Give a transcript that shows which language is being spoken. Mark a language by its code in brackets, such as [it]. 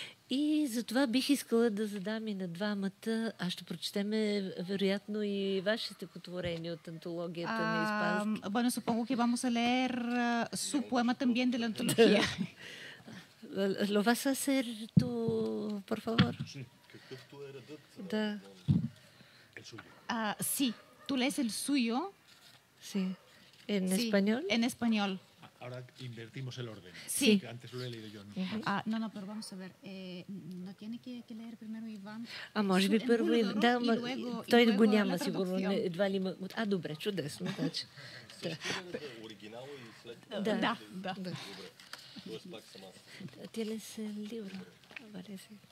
[bg] И затова бих искала да задам и на двамата, а ще прочетеме вероятно и ваше стихотворение от антологията на испански. [es] Bueno, supongo que vamos a leer su poema también de la antología. Lo vas a hacer tú, por favor. [bg] Какъвто е редът? Да. [es] Sí, tú lees el suyo. Sí. ¿En español? En español. Ahora invertimos el orden. Sí. Que antes lo he leído yo. No, pero vamos a ver. ¿No tiene que leer primero Iván? [bg] Ah, може би първо и [es] luego... [bg] Той го няма, сигурно. Едва ли има... А, добре, чудесно. Да. Оригинал и след това... Да, да. Добре. [es] Ти лес либро. [bg] Добре, [es] си.